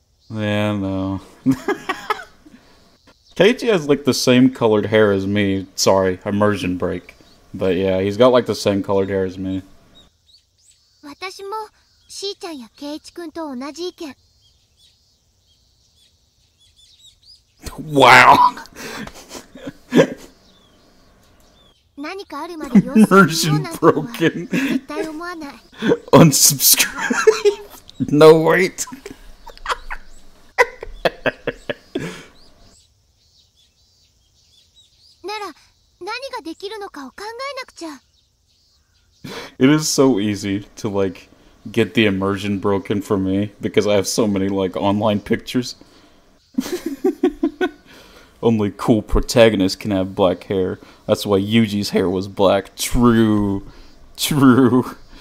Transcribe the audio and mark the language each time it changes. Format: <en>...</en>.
<en>Keiichi has, like, the same colored hair as me. Sorry, immersion break. But yeah, he's got, like, the same colored hair as me.</en> <ja>私もしーちゃんやケイチ君と同じ意見。</ja> <en>Wow.</en> <ja>何かあるまで</ja> <en>Immersion broken.</en> <ja>絶対思わない。</ja> <en>Unsubscribe. No wait.</en> <ja>なら何ができるのかを考えなくちゃ。</ja> <en>It is so easy to like get the immersion broken for me because I have so many like online pictures. Only cool protagonists can have black hair. That's why Yuji's hair was black. True. True.</en>